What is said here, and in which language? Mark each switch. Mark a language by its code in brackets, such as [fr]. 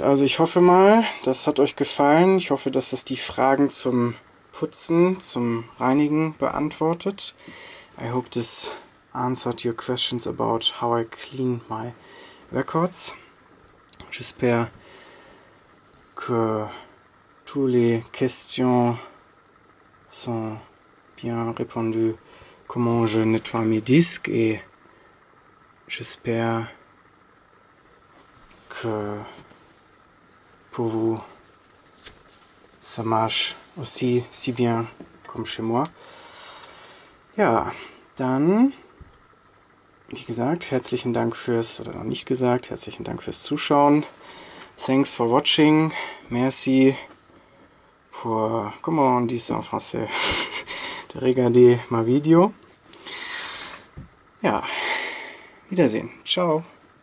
[de] Also ich hoffe mal, das hat euch gefallen. Ich hoffe, dass das die Fragen zum Putzen, zum Reinigen beantwortet. [en] I hope this answered your questions about how I clean my records. [fr] J'espère que toutes les questions sont bien répondues. Comment je nettoie mes disques, et j'espère que pour vous ça marche aussi si bien comme chez moi. [de] Ja, dann, wie gesagt, herzlichen Dank fürs, oder noch nicht gesagt, herzlichen Dank fürs Zuschauen. [en] Thanks for watching. [fr] Merci pour, comment on dit ça en français, de regarder ma vidéo. [de] Ja, Wiedersehen. [fr] Ciao.